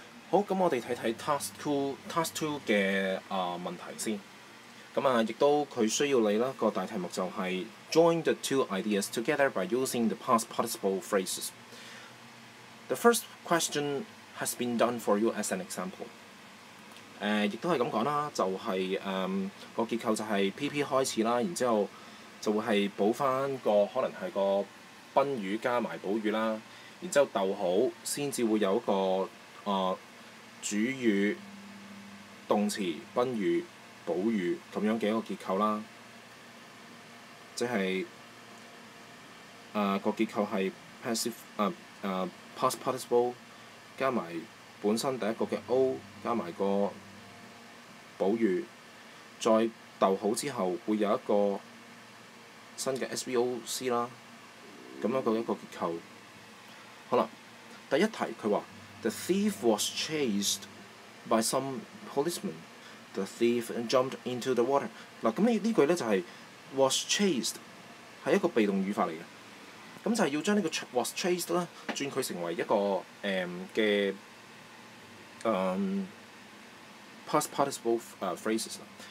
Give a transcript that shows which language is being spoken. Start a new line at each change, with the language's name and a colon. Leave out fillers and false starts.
Cantonese: 好，咁我哋睇睇 task two 嘅問題先。咁啊，亦都佢需要你啦。個大題目就係
English: join the two ideas together by using the past participle phrases. The first question has been done for you as an example.
Cantonese: 亦都係咁講啦，就係、是、個結構就係 PP 開始啦，然之後就會係補翻個可能係個賓語加埋補語啦，然之後逗號先至會有一個主語、動詞、賓語、補語咁樣嘅一個結構啦，即係個結構係 past participle 加埋本身第一個嘅 O 加埋個補語，再逗號之後會有一個新嘅 SVOC 啦，咁樣嘅一個結構。好啦，第一題佢話
English: The thief was chased。 By some policeman, the thief jumped into the water.
Cantonese: 咁呢句咧就係 was chased， 係一個被動語法嚟嘅。咁就係要將呢個 was chased 咧轉佢成為一個嘅past participle phrases 啦。